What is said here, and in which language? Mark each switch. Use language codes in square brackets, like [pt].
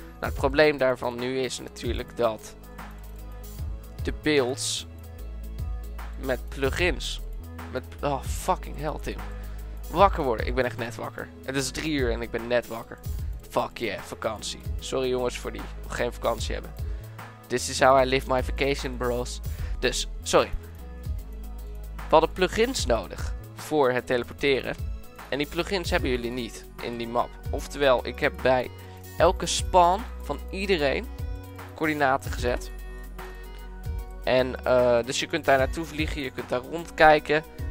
[nl] Nou, het probleem daarvan nu is natuurlijk dat de builds met plugins. Met, [en] oh, fucking hell, [nl] Tim. wakker worden. Ik ben echt net wakker. Het is 3 uur en ik ben net wakker. [en] Fuck yeah, [nl] vakantie. Sorry jongens voor die geen vakantie hebben. [en] This is how I live my vacation, bros. [nl] Dus, sorry. We hadden plugins nodig voor het teleporteren. En die plugins hebben jullie niet in die map. Oftewel, ik heb bij elke spawn van iedereen coördinaten gezet. En dus je kunt daar naartoe vliegen, je kunt daar rondkijken.